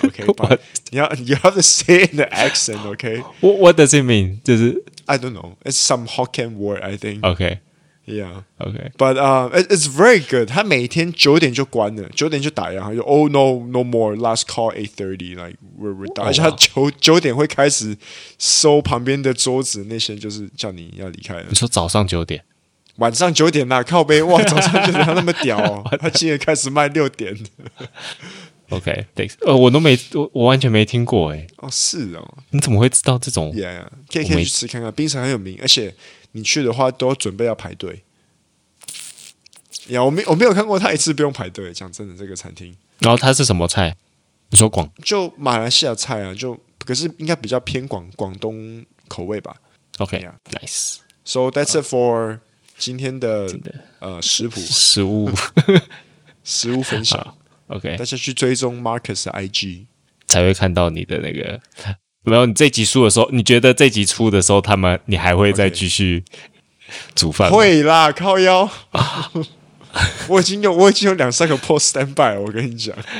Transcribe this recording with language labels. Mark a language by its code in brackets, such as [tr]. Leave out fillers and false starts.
[en] OK， but you have to say it in the accent。 OK， what does it mean？就是 I don't know， it's some Hokkien word I think。 OK。 Yeah. Okay. But it's very good. [zh] 他每天九点就关了，九点就打烊，他就 Oh no, no more. [en] Last call 8:30. Like we're done. [zh] 而且他九点会开始收旁边的桌子那些，就是叫你要离开了。你说早上九点？晚上九点啦，靠杯哇！早上九点他那么屌、哦，他今天开始卖六点。 Okay, thanks. 我完全没听过哎、欸。哦，是哦。你怎么会知道这种？Yeah, 可以去吃看看，槟城很有名，而且。你去的话都要准备要排队、yeah, 我没有看过他一次不用排队，讲真的这个餐厅。然后他是什么菜？你说广就马来西亚菜啊，就可是应该比较偏广东口味吧。 [en] OK、yeah. Nice. So that's it for 今天的食谱 [zh] 食物食物分享。 [en] OK， [zh] 大家去追踪 Marcus 的 IG 才会看到你的那个。没有，你这集出的时候，你觉得这集出的时候，他们你还会再继续煮饭吗？会啦，靠腰。我已经有两三个 post standby， 我跟你讲。